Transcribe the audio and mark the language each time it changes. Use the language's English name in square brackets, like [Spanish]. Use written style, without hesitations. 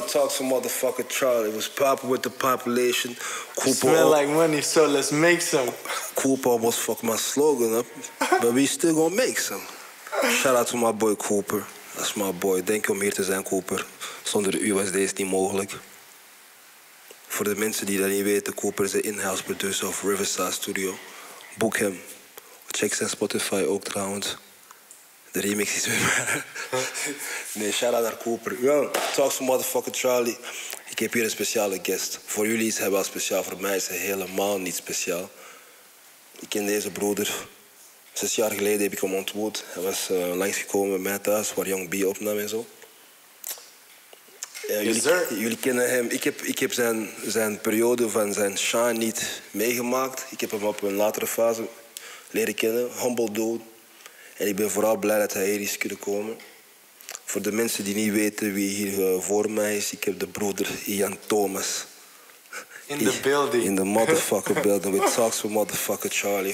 [English] Talk some motherfucking Charlie. It was popping with the population. Cooper smell like money, so let's make some. Cooper almost fucked my slogan up, but we still gonna make some. Shout out to my boy Cooper. That's my boy. Thank you [Dutch] om hier te zijn, Cooper. Zonder u was deze niet mogelijk. Voor de mensen die dat niet weten, Cooper is de in-house producer of Riverside Studio. Boek hem. Check zijn Spotify ook trouwens. De remix is weer. Nee, shout out naar Cooper. [English] Well, talk to motherfucking Charlie. [Dutch] Ik heb hier een speciale guest. Voor jullie is hij wel speciaal, voor mij is hij helemaal niet speciaal. Ik ken deze broeder. 6 jaar geleden heb ik hem ontmoet. Hij was langsgekomen bij mij thuis, waar Young B opnam en zo. Jullie kennen hem. Ik heb zijn periode van zijn shine niet meegemaakt. Ik heb hem op een latere fase leren kennen. [English] Humble dude. [Dutch] En ik ben vooral blij dat hij hier is kunnen komen. Voor de mensen die niet weten wie hier voor mij is, ik heb de broeder Ian Thomas. [English] In the building. In the motherfucking building. We talk to motherfucker Charlie.